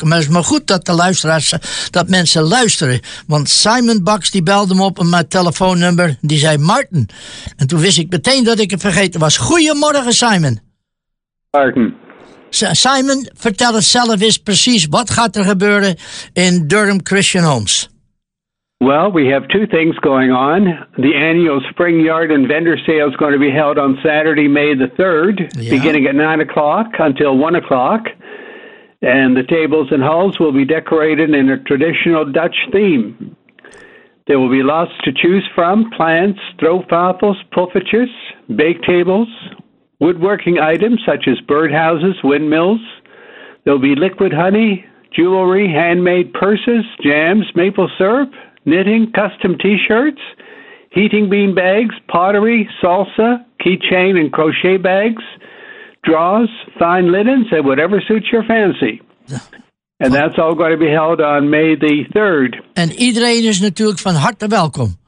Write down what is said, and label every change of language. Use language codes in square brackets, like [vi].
[nl] Maar het is maar goed dat de luisteraars, dat mensen luisteren. Want Simon Bax die belde me op met mijn telefoonnummer, die zei Martin. En toen wist ik meteen dat ik het vergeten was. Goedemorgen Simon. Martin. Simon, vertel het zelf eens precies, wat gaat er gebeuren in Durham Christian Homes? [en] Well, we have two things going on. The annual Spring Yard and Vendor Sale is going to be held on Saturday, May the 3rd, yeah, beginning at 9 o'clock until 1 o'clock. And the tables and halls will be decorated in a traditional Dutch theme. There will be lots to choose from, plants, stroopwafels, puffertjes, bake tables, woodworking items such as birdhouses, windmills. There will be liquid honey, jewelry, handmade purses, jams, maple syrup, knitting, custom t-shirts, heating bean bags, pottery, salsa, keychain and crochet bags, drawers, fine linens, and whatever suits your fancy. And that's all going to be held on May the 3rd. And [nl] iedereen is natuurlijk van harte welkom.